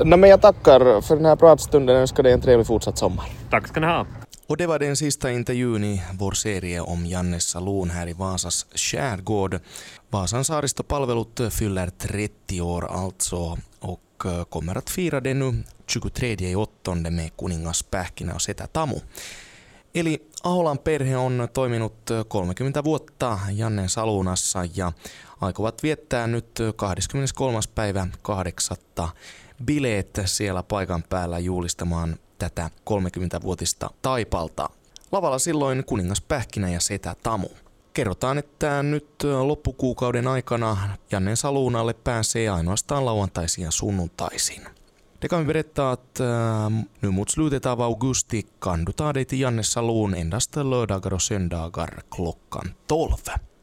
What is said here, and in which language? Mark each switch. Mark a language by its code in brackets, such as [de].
[sv] No, men jag tackar för den här pratstunden och önskar dig en trevlig fortsatt sommar. Tack ska ni ha. Och det var den sista intervjun i vår serie om Janne Salon här i Vasas kärgård. Vasan saaristopalvelut fyller 30 år alltså och kommer att fira det nu 23.8. med kuningaspähkinä och setä tamu. [fi] Eli Aholan perhe on toiminut 30 vuotta Janne Salunassa ja aikovat viettää nyt 23. päivä 8. bileet siellä paikan päällä juhlistamaan tätä 30-vuotista taipalta. Lavalla silloin kuningaspähkinä ja setä Tamu. Kerrotaan, että nyt loppukuukauden aikana Janne Salunalle pääsee ainoastaan lauantaisin ja sunnuntaisin. [sv] Det kan vi berätta att nu mot slutet av augusti kan du ta dig till Janne Salon endast lördagar och söndagar klockan 12.